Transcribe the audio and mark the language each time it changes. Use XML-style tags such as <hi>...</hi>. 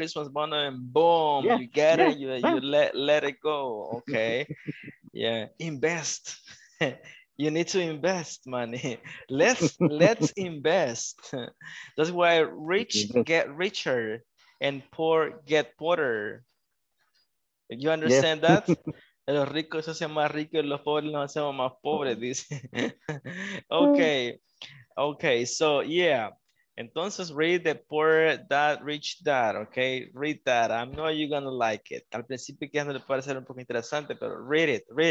<en>Christmas bonus, and boom, yeah, you get yeah, it, you let it go. Okay. Yeah. Invest. You need to invest money. Let's invest. That's why rich get richer and poor get poorer. You understand yeah. that?</en> <es>Los ricos se hacen más ricos y los pobres nos hacemos más pobres, dice.</es> <en>Okay. Okay, so yeah.</en> <es>Entonces,</es> <en>read the poor dad, rich dad, okay? Read that. I know you're gonna like it.</en> <es>Al principio que no le puede ser un poco interesante, pero</es> <en>read it.</en>